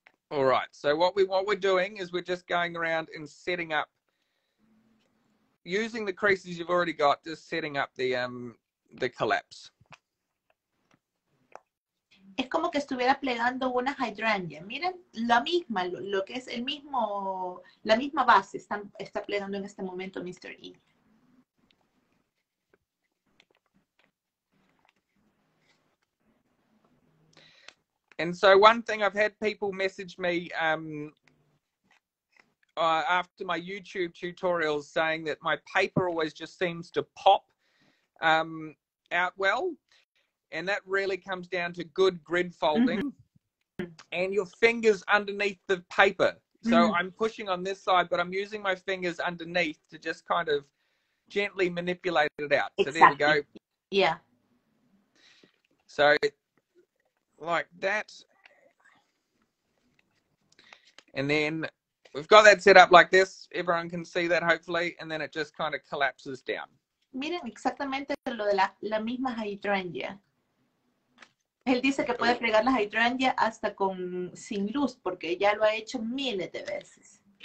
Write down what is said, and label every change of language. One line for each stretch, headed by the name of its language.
English: All right. So what we're doing is we're just going around and setting up using the creases you've already got, just setting up the collapse.
Spanish: Es como que estuviera plegando una hydrangea. Miren, la misma, lo que es el mismo, la misma base está plegando en este momento, Mr. E.
English: And so one thing I've had people message me after my YouTube tutorials saying that my paper always just seems to pop out well. And that really comes down to good grid folding mm-hmm. and your fingers underneath the paper. Mm-hmm. So I'm pushing on this side, but I'm using my fingers underneath to just kind of gently manipulate it out. Exactly. So there you go. Yeah. So like that. And then we've got that set up like this. Everyone can see that hopefully. And then it just kind of collapses down.
Spanish: Miren exactamente lo de la misma hydrangea. Él dice que puede fregar las hydrangea hasta con sin luz porque ya lo ha hecho miles de veces.